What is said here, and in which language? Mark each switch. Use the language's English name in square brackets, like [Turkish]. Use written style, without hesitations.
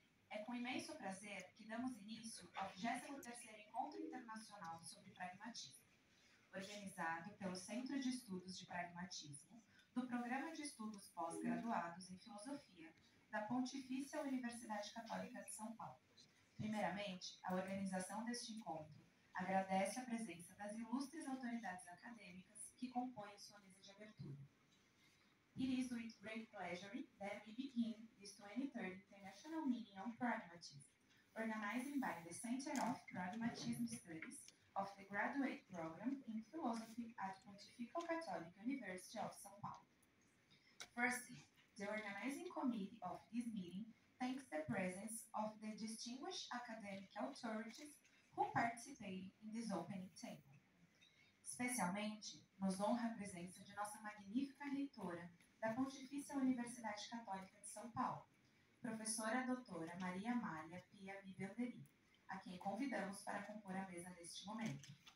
[Portuguese] É com imenso prazer que damos início ao 23º Encontro Internacional sobre Pragmatismo, organizado pelo Centro de Estudos de Pragmatismo do Programa de Estudos Pós-Graduados em Filosofia da Pontifícia Universidade Católica de São Paulo. Primeiramente, a organização deste encontro agradece a presença das ilustres autoridades acadêmicas que compõem sua mesa de abertura. [English] It is with great pleasure that we begin this 23rd International Meeting on Pragmatism, organized by the Center of Pragmatism Studies of the Graduate Program in Philosophy at Pontifical Catholic University of São Paulo. Firstly, the organizing committee of this meeting thanks the presence of the distinguished academic authorities who participated in this opening table. [Portuguese] Especialmente, nos honra a presença de nossa magnífica reitora da Pontifícia Universidade Católica de São Paulo, professora doutora Maria Amália Pia Bibelderi, a quem convidamos para compor a mesa neste momento.